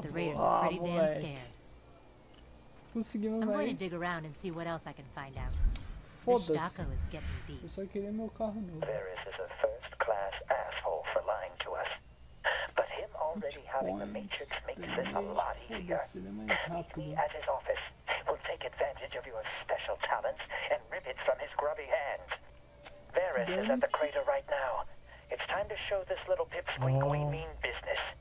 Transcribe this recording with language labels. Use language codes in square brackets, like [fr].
[en] The Raiders are pretty damn scared. [pt] Conseguimos aí. [en] I'm going to dig around and see what else I can find out. [pt] Eu só queria meu carro novo. [en] Varys is a first class asshole for lying to us. But him already having the Matrix makes this a lot easier. Meet me at his office. We'll take advantage of your special talents and rip it from his grubby hands. Varys is at the crater right now. It's time to show this little pipsqueak we mean business.